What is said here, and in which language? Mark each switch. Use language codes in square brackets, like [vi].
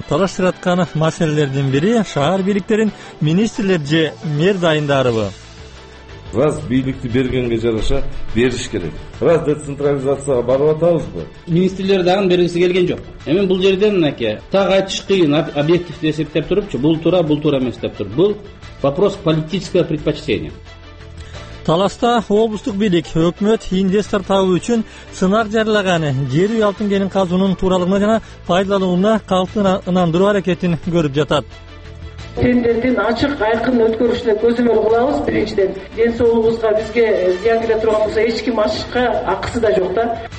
[ky] Талаштыраткан маселелердин бири шаар бийликтерин министрлер же мэр дайындарыбы? Раз бийликти бергенге жараша бериш керек. Раз децентрализацияга барып атабызбы? Министрлер дагы бергиси келген жок. Эми бул жерден мынакей так айтыш кыйын, объективдүү эсептеп турупчу, бул туура эмес деп туруп. [ru] Бул вопрос политического предпочтения. [ky] Таласта облустук бийлик өкмөт инвестор табуу үчүн сынак жарылаганы, жер үй алтын кенин казуунун тууралыгына жана пайдаланууна калктына ынандыруу аракетин көрүп жатат. Тендердин ачык айкын өткөрүшүнө көзөмөл кылабыз. Биринчиден, ден соолугубузга бизге зыян келе турган болсо эч ким ашыкка акысы да жок да.